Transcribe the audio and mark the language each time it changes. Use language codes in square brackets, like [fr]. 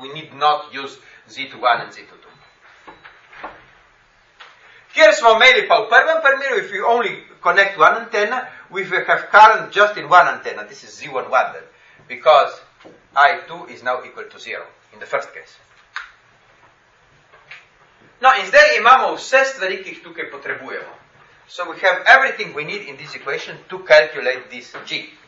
[en] We need not use Z21 and Z22. Here [sl] smo imeli pa v prvem primeru, [en] if we only connect one antenna, we will have current just in one antenna. This is Z11 then, because I2 is now equal to zero in the first case. [sl] No, in zdaj imamo vse stvari, ki jih tukaj potrebujemo. [en] So we have everything we need in this equation to calculate this G.